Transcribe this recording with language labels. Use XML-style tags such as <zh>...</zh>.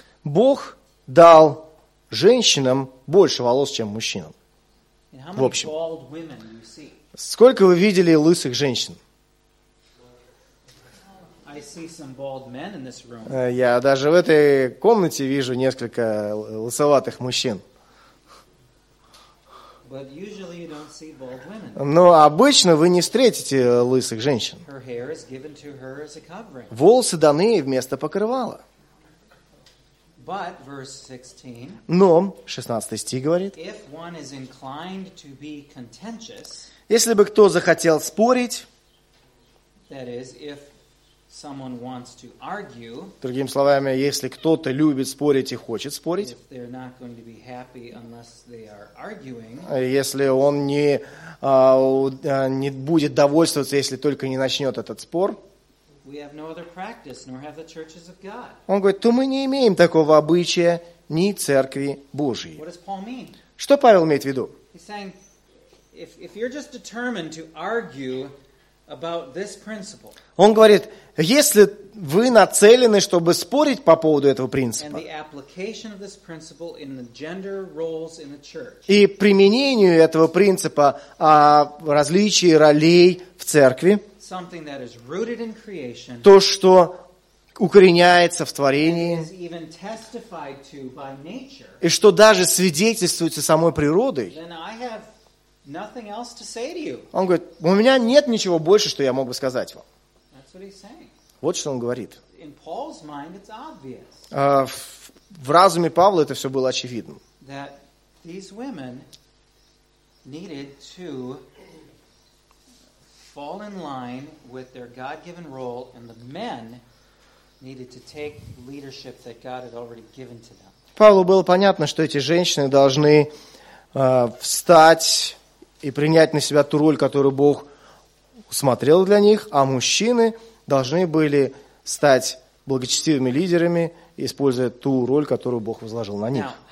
<ru>Бог дал женщинам больше волос, чем мужчинам. В общем, сколько вы видели лысых женщин?</ru> <en>I see some bald men in this room.</en> <ru>Я даже в этой комнате вижу несколько лысоватых мужчин.</ru> <en>But usually you don't see bald women.</en> <ru>Но обычно вы не встретите лысых женщин.</ru> <en>Her hair is given to her as a covering.</en> <ru>Волосы даны ей вместо покрывала.</ru> <en>But verse 16,</en> <ru>но, 16 стих говорит,</ru> <en>if one is inclined to be contentious,</en> <ru>если бы кто захотел спорить,</ru> <en>That is, if someone wants to argue,</en> <ru>другими словами, если кто-то любит спорить и хочет спорить,</ru> <en>if they're not going to be happy unless they are arguing,</en> <ru>если он не, не будет довольствоваться, если только не начнет этот спор,</ru> <en>we have no other practice, nor have the churches of God.</en> <ru>Он говорит, то мы не имеем такого обычая ни церкви Божьей.</ru> <en>What does Paul mean?</en> <ru>Что Павел имеет в виду?</ru> <en>He's saying, if you're just determined to argue about this principle,</en> <ru>он говорит, если вы нацелены, чтобы спорить по поводу этого принципа,</ru> <en>and the application of this principle in the gender roles in the church,</en> <ru>и применению этого принципа о различии ролей в церкви,</ru> <en>something that is rooted in creation,</en> <ru>то, что укореняется в творении,</ru> <en>and is even testified to by nature,</en> <ru>и что даже свидетельствуется самой природой,</ru> <en>then I have nothing else to say to you.</en> <ru>Он говорит, у меня нет ничего больше, что я мог бы сказать вам.</ru> <en>That's what he's saying.</en> <ru>Вот что он говорит.</ru> <en>In Paul's mind, it's obvious,</en> <ru>в разуме Павла это все было очевидно.</ru> <en>That these women needed to fall in line with their God-given role, and the men needed to take leadership that God had already given to them.</en> <ru>Павлу было понятно, что эти женщины должны встать и принять на себя ту роль, которую Бог усмотрел для них, а мужчины должны были стать благочестивыми лидерами, используя ту роль, которую Бог возложил на них.</ru>